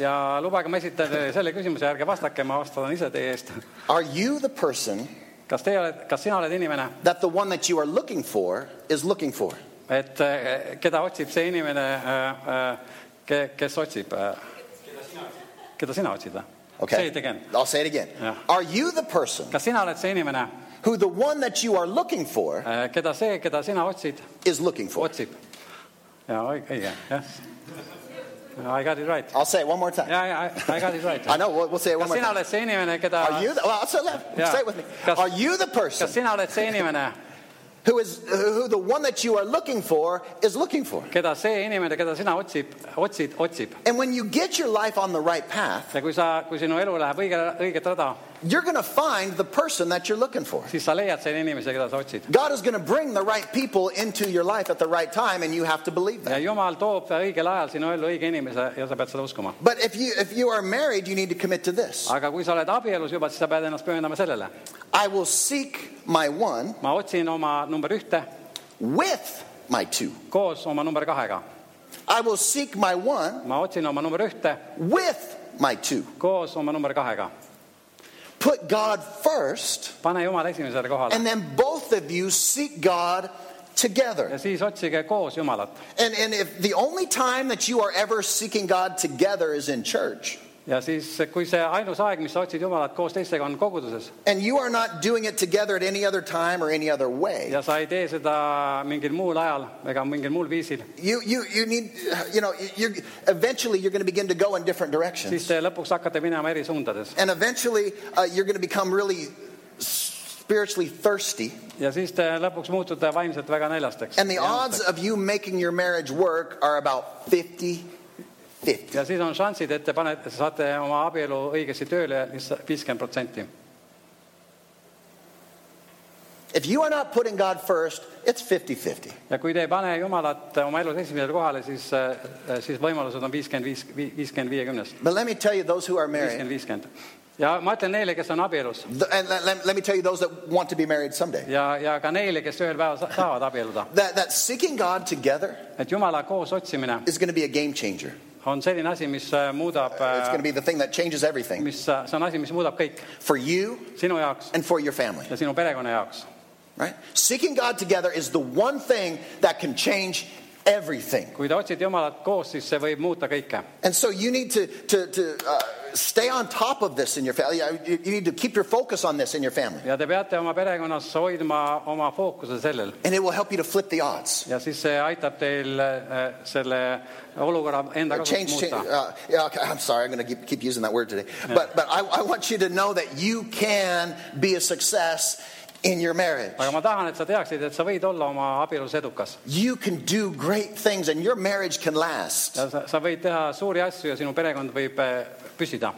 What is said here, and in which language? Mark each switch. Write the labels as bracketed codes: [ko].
[et] Ja lubage ma esitan selle küsimuse järgi vastake, ma vastan ise teie eest. [en] Are you the person [et] kas sina oled inimene [en] that the one that you are looking for is looking for? [et] Et keda otsib see inimene kes otsib keda sina otsid [en] okay. Say it again. I'll say it again. Yeah. Are you the person [et] kas sina oled see inimene [en] who the one that you are looking for [et] keda see keda sina otsid [en] is looking for [et] otsib. [en] Yes. I got it right. I'll say it one more time. I got it right. I know we'll say it [et] kas [en] one more [et] sina [en] time [et] oled see inimene, keda [en] are you the, well, I'll say, left. Yeah. Say it with me [et] kas, [en] are you the person [et] kas sina oled see inimene [en] who the one that you are looking for is looking for. [et] Keda see inimene, keda sina otsib. [en] And when you get your life on the right path, [et] ja kui sinu elu läheb õige rada, [en] you're going to find the person that you're looking for. [et] Siis sa leiad see inimese, keda sa otsid. [en] God is going to bring the right people into your life at the right time, and you have to believe that. [et] Ja Jumal toob õigel ajal sinu elu õige inimese, ja sa pead seda uskuma. [en] But if you are married, you need to commit to this. [et] Aga kui sa oled abielus juba, siis sa pead ennast pühendama sellele. [en] I will seek my one. [et] Ma otsin oma number ühte. [en] With my two. [et] Koos oma number kahega. [en] I will seek my one. [et] Ma otsin oma number ühte. [en] With my two. [et] Koos oma number kahega. [en] Put God first. [et] Pane Jumal esimesele kohale. [en] And then both of you seek God together. [et] Ja siis otsige koos Jumalat. [en] And if the only time that you are ever seeking God together is in church. [et] Ja siis kui see ainus aeg, mis sa otsid Jumalat koos teistega on koguduses. [en] And you are not doing it together at any other time or any other way. [et] Ja sa ei tee seda mingil muul ajal, ega mingil muul viisil. [en] You need, you know, you eventually you're going to begin to go in different directions. [et] Siis te lõpuks hakkate minema eri suundades. [en] And eventually you're going to become really spiritually thirsty. [et] Ja siis te lõpuks muutute vaimselt väga neljasteks. [en] And the odds of you making your marriage work are about 50. [et] Ja siis on šansid, et te panete, saate oma abielu õigesti tööle 50%. [en] If you are not putting God first, it's 50-50. [et] Ja kui te ei pane Jumalat oma elus esimesele kohale, siis siis võimalused on 50-50. [en] But let me tell you those who are married. [et] 50-50. Ja ma ütlen neile, kes on abielus. [en] And let me tell you those that want to be married someday. [et] Ja ka neile, kes ühel päeval saavad abieluda. [en] That seeking God together. [et] Et Jumala koos otsimine. [en] Is going to be a game changer. [et] On selline asi, mis muudab, [en] it's going to be the thing that changes everything. [et] Mis, see on asi, mis muudab kõik. [en] For you [et] sinu jaoks [en] and for your family. [et] Ja sinu perekonna jaoks. [en] Right? Seeking God together is the one thing that can change everything. [et] Kui te otsite Jumalat koos, siis see võib muuta kõike. [en] And so you need to stay on top of this in your family. You need to keep your focus on this in your family. [et] Ja te peate oma perekonnas hoidma oma fookuse sellel. [en] And it will help you to flip the odds. [et] Ja siis see aitab teil selle olukorra enda kasuks [en] change, [et] muuta. [en] Okay, I'm sorry, I'm going to keep using that word today. Yeah. But I want you to know that you can be a success in your marriage. [et] Aga ma tahan, et sa teaksid, et sa võid olla oma abielus edukas. [en] You can do great things and your marriage can last. [et] Ja sa võid teha suuri asju ja sinu perekond võib püsida.